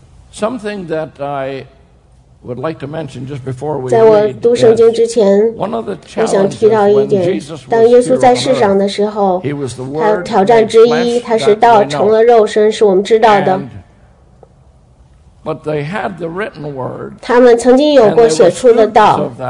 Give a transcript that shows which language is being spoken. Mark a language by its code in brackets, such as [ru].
[en] Something that I would like to mention just before we [zh] 在我读圣经之前，我想提到一点：当耶稣在世上的时候，他挑战之一，他是道成了肉身，是我们知道的。 [en] But they had the written word. [zh] 他们曾经有过写出的道。